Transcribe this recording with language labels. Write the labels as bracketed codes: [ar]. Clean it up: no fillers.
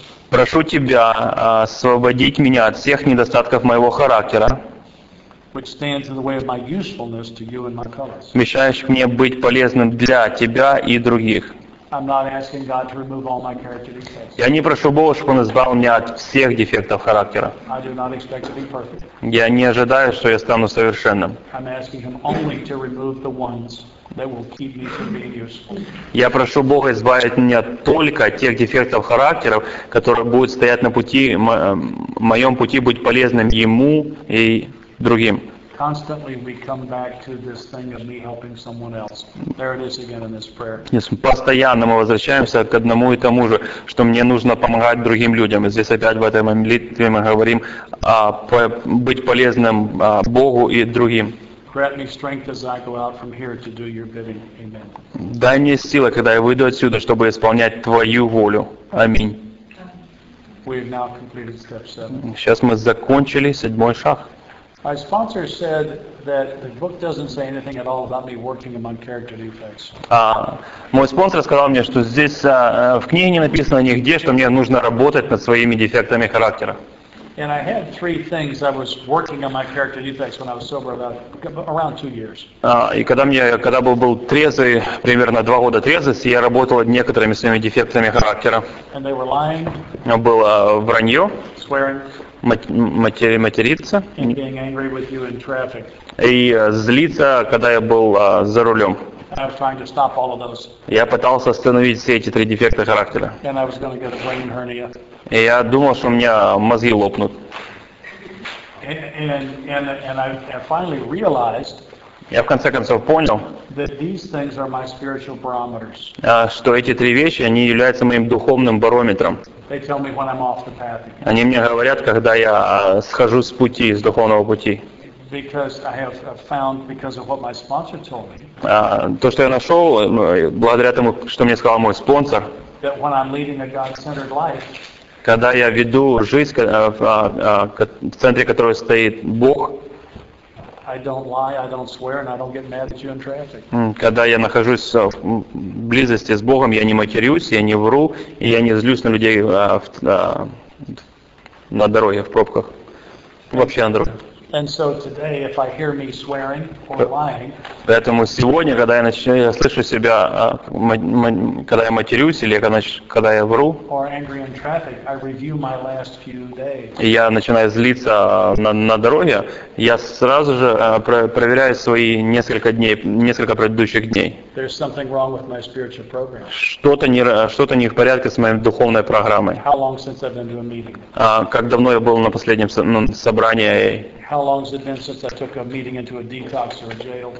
[ru] Прошу тебя освободить меня от всех недостатков моего характера, мешающих мне быть полезным для тебя и других. [en] I'm not asking God to remove all my character defects. [ru] Я не прошу Бога, чтобы Он избавил меня от всех дефектов характера. [en] I do not expect to be perfect. [ru] Я не ожидаю, что я стану совершенным. [en] I'm asking Him only to remove the ones that will keep me from being useful. [ru] Я прошу Бога избавить меня только от тех дефектов характера, которые будут стоять на пути, моем пути быть полезным Ему и другим. [en] Constantly we come back to this thing of me helping someone else. There it is again in this prayer. [ru] Yes, постоянно мы возвращаемся к одному и тому же, что мне нужно помогать другим людям. И здесь опять в этой молитве мы говорим быть полезным Богу и другим. [en] Grant me strength as I go out from here to do your bidding. Amen. [ru] Дай мне силы, когда я выйду отсюда, чтобы исполнять твою волю. Аминь. [en] We have now completed step 7. [ru] Сейчас мы закончили седьмой шаг. [en] My sponsor said that the book doesn't say anything at all about me working among character defects. [ru] Мой спонсор сказал мне, что здесь в книге не написано нигде, что мне нужно работать над своими дефектами характера. [en] And I had three things I was working on my character defects when I was sober about around 2 years. [ru] И когда был трезвый, примерно 2 года трезвости, я работал над некоторыми своими дефектами характера. [en] And they were lying. [ru] Было вранье. [en] Swearing. [ru] Материться [en] and being angry with you in traffic. [ru] И злиться, когда я был за рулем. [en] I was trying to stop all of those. [ru] Я пытался остановить все эти три дефекта характера. [en] And I was going to get a brain hernia. [ru] И я думал, что у меня мозги лопнут. [en] And I finally realized. [ru] Я в конце концов понял, [en] that these things are my spiritual barometers. [ru] Что эти три вещи, они являются моим духовным барометром. [en] They tell me when I'm off the path. [ru] Они мне говорят, когда я схожу с пути, с духовного пути. [en] Because I have found because of what my sponsor told me. [ru] То, что я нашел, благодаря тому, что мне сказал мой спонсор. [en] That when I'm leading a God-centered life. [ru] Когда я веду жизнь в центре которой стоит Бог. [en] I don't lie, I don't swear, and I don't get mad at you in traffic. [ru] Когда я нахожусь в близости с Богом, я не матерюсь, я не вру, и я не злюсь на людей на дороге, в пробках, вообще на дороге. [en] And so today, if I hear me swearing or lying, [ru] поэтому сегодня, когда я начну, я слышу себя, когда я матерюсь или когда я вру, [en] or angry in traffic, I review my last few days. [ru] И я начинаю злиться на дороге, я сразу же проверяю свои несколько предыдущих дней. [en] There's something wrong with my spiritual program. [ru] Что-то не в порядке с моей духовной программой. [en] How long since I've been to a meeting? [ru] Как давно я был на последнем собрании? [en] How long has it been since I took a meeting into a detox or a jail?